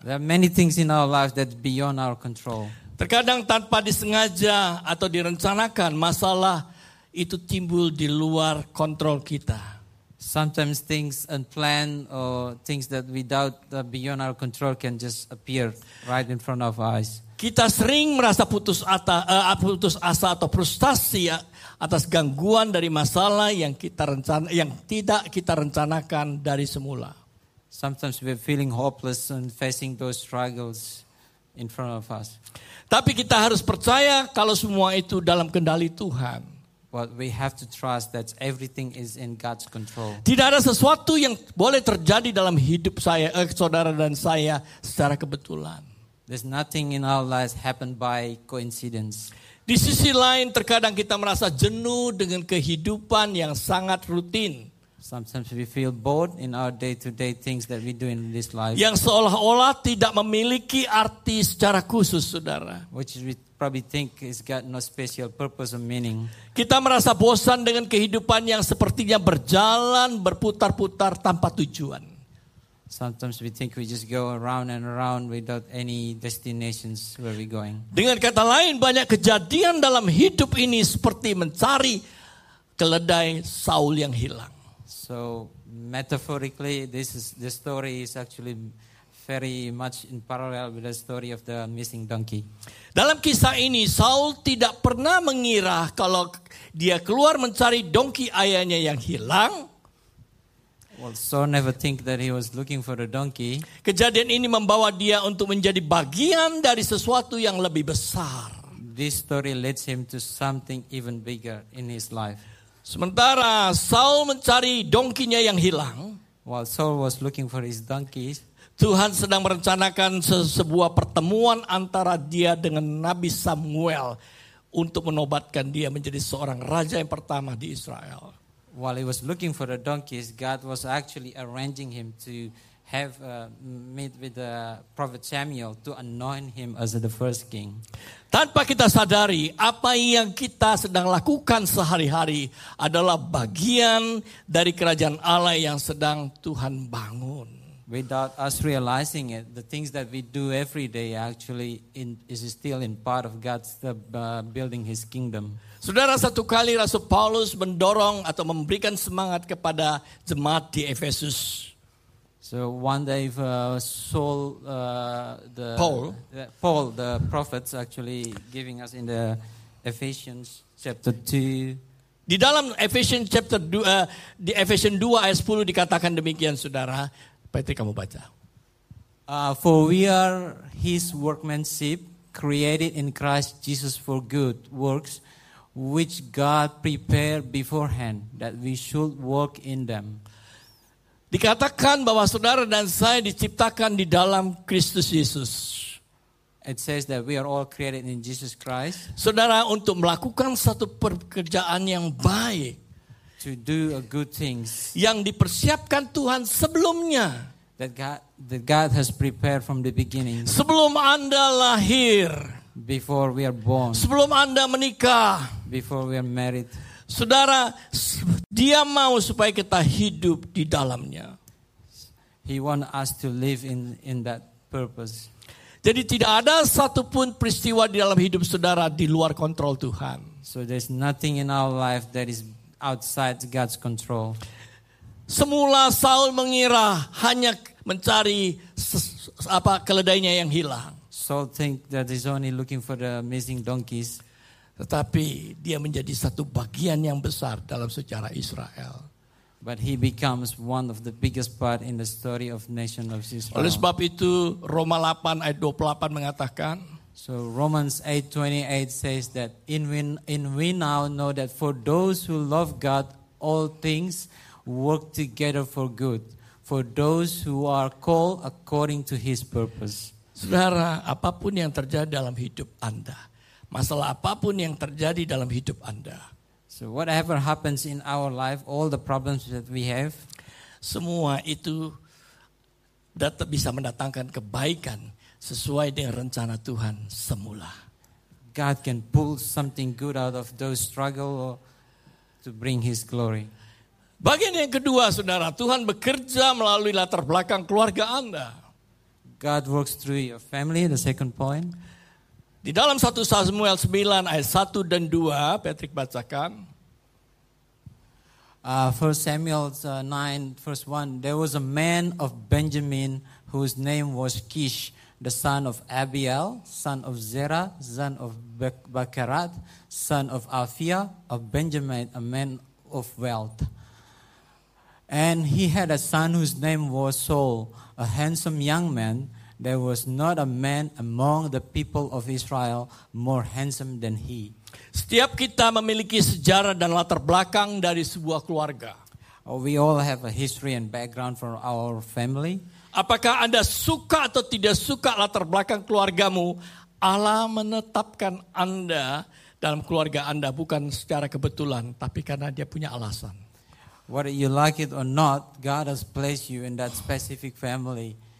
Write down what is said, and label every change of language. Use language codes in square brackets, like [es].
[en] There are many things in our lives that are beyond our control. [id] Terkadang tanpa disengaja atau direncanakan, masalah itu timbul di luar kontrol kita. [en] Sometimes things unplanned or things that without beyond our control can just appear right in front of us. [id] Kita sering merasa putus asa atau frustasi atas gangguan dari masalah yang tidak kita rencanakan dari semula. [en] Sometimes we're feeling hopeless and facing those struggles in front of us. [id] Tapi kita harus percaya kalau semua itu dalam kendali Tuhan. [en] But we have to trust that everything is in God's control. [id] Tidak ada sesuatu yang boleh terjadi dalam hidup saya, saudara dan saya secara kebetulan. [en] There's nothing in our lives happened by coincidence. [id] Di sisi lain, terkadang kita merasa jenuh dengan kehidupan yang sangat rutin. [en] Sometimes we feel bored in our day-to-day things that we do in this life. [id] Yang seolah-olah tidak memiliki arti secara khusus, saudara. [en] Which we probably think it's got no special purpose or meaning. [id] Kita merasa bosan dengan kehidupan yang sepertinya berjalan berputar-putar tanpa tujuan. [en] Sometimes we think we just go around and around without any destinations where we're going. [id] Dengan kata lain, banyak kejadian dalam hidup ini seperti mencari keledai Saul yang hilang. [en] So metaphorically, this story is actually very much in parallel with the story of the missing donkey. [id] Dalam kisah ini, Saul tidak pernah mengira kalau dia keluar mencari donkey ayahnya yang hilang. [en] Well, Saul never think that he was looking for the donkey. [id] Kejadian ini membawa dia untuk menjadi bagian dari sesuatu yang lebih besar. [en] This story leads him to something even bigger in his life. [id] Sementara Saul mencari donkinya yang hilang, [en] while Saul was looking for his donkeys, [id] Tuhan sedang merencanakan sebuah pertemuan antara dia dengan Nabi Samuel untuk menobatkan dia menjadi seorang raja yang pertama di Israel. [en] While he was looking for the donkeys, God was actually arranging him to have meet with the prophet Samuel to anoint him as the first king. [id] Tanpa kita sadari, apa yang kita sedang lakukan sehari-hari adalah bagian dari kerajaan Allah yang sedang Tuhan bangun. [en] Without us realizing it, the things that we do every day actually is still in part of God's building His kingdom. [id] Saudara, satu kali Rasul Paulus mendorong atau memberikan semangat kepada jemaat di Efesus. [en] So one day Paul the prophet actually giving us in the Ephesians chapter 2. [id] Di dalam Ephesians chapter 2, di Ephesians 2 ayat 10 dikatakan demikian, saudara. Patrick, kamu baca. [en] For we are His workmanship, created in Christ Jesus for good works, which God prepared beforehand that we should walk in them. [id] Dikatakan bahwa saudara dan saya diciptakan di dalam Kristus Yesus. [en] It says that we are all created in Jesus Christ. [id] Saudara, untuk melakukan satu pekerjaan yang baik. [en] To do a good things. [id] Yang dipersiapkan Tuhan sebelumnya. [en] That God has prepared from the beginning. [id] Sebelum Anda lahir. [en] Before we are born. [id] Sebelum Anda menikah. [en] Before we are married. [id] Saudara, Dia mau supaya kita hidup di dalamnya. [en] He want us to live in that purpose. [id] Jadi tidak ada satupun peristiwa di dalam hidup saudara di luar kontrol Tuhan. [en] So there's nothing in our life that is outside God's control. [id] Semula Saul mengira hanya mencari apa keledainya yang hilang. [en] Saul think that he's only looking for the missing donkeys. [id] Tetapi dia menjadi satu bagian yang besar dalam sejarah Israel. [en] But he becomes one of the biggest part in the story of nation of Israel. [id] Oleh sebab itu Roma 8 ayat 28 mengatakan. [en] So Romans 8:28 says that in we now know that for those who love God, all things work together for good. For those who are called according to His purpose. [id] Saudara, apapun yang terjadi dalam hidup Anda, masalah apapun yang terjadi dalam hidup Anda. [en] So whatever happens in our life, all the problems that we have, [id] semua itu tetap bisa mendatangkan kebaikan sesuai dengan rencana Tuhan semula. [en] God can pull something good out of those struggle or to bring His glory. [id] Bagian yang kedua, saudara, Tuhan bekerja melalui latar belakang keluarga Anda. [en] God works through your family, the second point. [id] Di dalam 1 Samuel 9 ayat 1 dan 2, Patrick bacakan. [en] 1 Samuel 9, verse 1, there was a man of Benjamin whose name was Kish, the son of Abiel, son of Zerah, son of Bakarat, son of Afia, of Benjamin, a man of wealth. And he had a son whose name was Saul, a handsome young man. There was not a man among the people of Israel more handsome than he. [id] Setiap kita memiliki sejarah dan latar belakang dari sebuah keluarga. [en] We all have a history and background for our family. [id] Apakah Anda suka atau tidak suka latar belakang keluargamu, Allah menetapkan Anda dalam keluarga Anda bukan secara kebetulan, tapi karena Dia punya alasan. [en] Whether you like it or not, God has placed you in that specific family.